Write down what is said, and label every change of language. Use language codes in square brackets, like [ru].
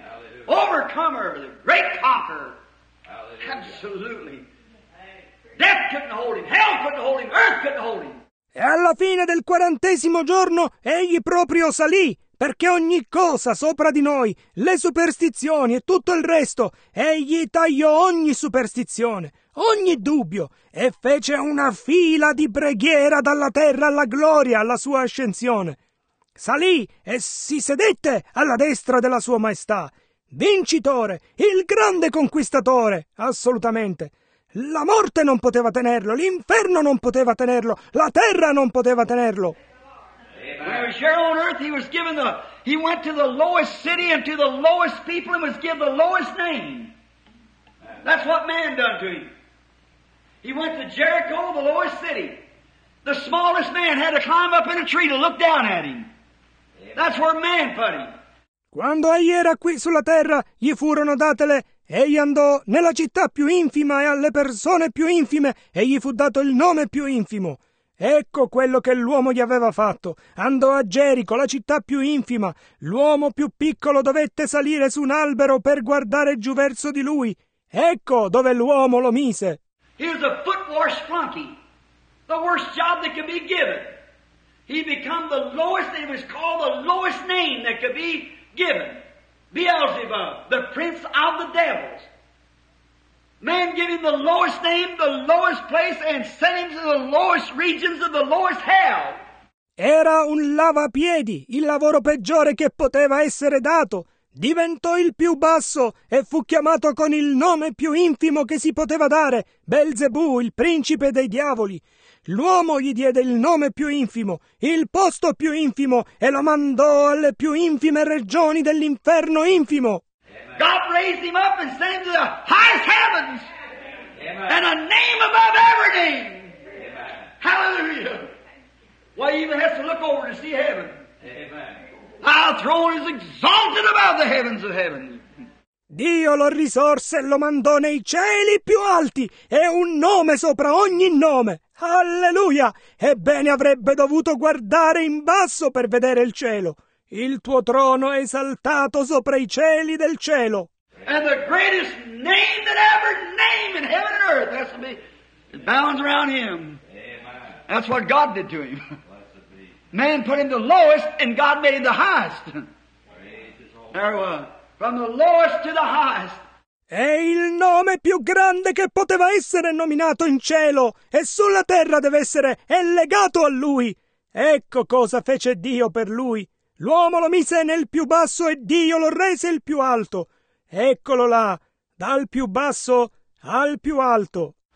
[en] Hallelujah. Overcomer, the great conqueror. Hallelujah. Absolutely. Death couldn't hold him, hell couldn't hold him, earth couldn't hold him. [it] E alla fine del 40° giorno, egli proprio salì. Perché ogni cosa sopra di noi, le superstizioni e tutto il resto, egli tagliò ogni superstizione, ogni dubbio, e fece una fila di preghiera dalla terra alla gloria alla sua ascensione. Salì e si sedette alla destra della sua maestà. Vincitore! Il grande conquistatore! Assolutamente! La morte non poteva tenerlo, l'inferno non poteva tenerlo, la terra non poteva tenerlo. [en] When he was here on earth, he was given the, he went to the lowest city and to the lowest people and was given the lowest name. That's what man done to him. He went to Jericho, the lowest city. The smallest man had to climb up in a tree to look down at him. That's where man put him. [it] Quando egli era qui sulla terra, gli furono date le... Egli andò nella città più infima e alle persone più infime e gli fu dato il nome più infimo. Ecco quello che l'uomo gli aveva fatto. Andò a Gerico, la città più infima. L'uomo più piccolo dovette salire su un albero per guardare giù verso di lui. Ecco dove l'uomo lo mise. [en] He was a foot wash flunky. The worst job that could be given. He became the lowest, he was called the lowest name that could be given. Beelzebub, the prince of the devils. Man gave him the lowest name, the lowest place, and sent him to the lowest regions of the lowest hell. [it] Era un lavapiedi, il lavoro peggiore che poteva essere dato. Diventò il più basso e fu chiamato con il nome più infimo che si poteva dare, Belzebù, il principe dei diavoli. L'uomo gli diede il nome più infimo, il posto più infimo, e lo mandò alle più infime regioni dell'inferno infimo. [en] God raised him up and sent him to the highest heavens, amen. And a name above every name. Amen. Hallelujah. Why, he even has to look over to see heaven. Amen. Our throne is exalted above the heavens of heaven. [it] Dio lo risorse e lo mandò nei cieli più alti, e un nome sopra ogni nome. Alleluia! Ebbene, avrebbe dovuto guardare in basso per vedere il cielo. Il tuo trono è esaltato sopra i cieli del cielo. [en] And the greatest name that ever named in heaven and earth has to be bound around him. Amen. That's what God did to him. Man put him the lowest and God made him the highest. There was. From the lowest to the highest. [it] È il nome più grande che poteva essere nominato in cielo e sulla terra deve essere è legato a lui. Ecco cosa fece Dio per lui. L'uomo lo mise nel più basso e Dio lo rese il più alto. Eccolo là, dal più basso al più alto.